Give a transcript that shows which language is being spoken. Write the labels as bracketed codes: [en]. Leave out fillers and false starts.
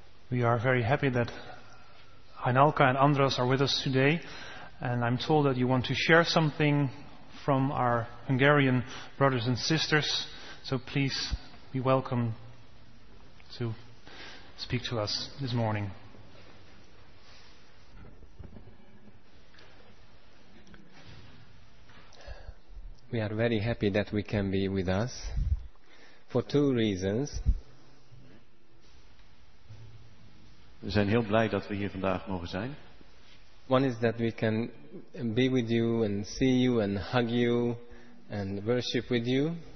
[en] We are very happy that Heinalka and Andras are with us today, and I'm told that you want to share something from our Hungarian brothers and sisters, so please be welcome to speak to us this morning. We are very happy that we can be with us for two reasons. [nl] We zijn heel blij dat we hier vandaag mogen zijn. [en] One is that we can be with you and see you and hug you and worship with you.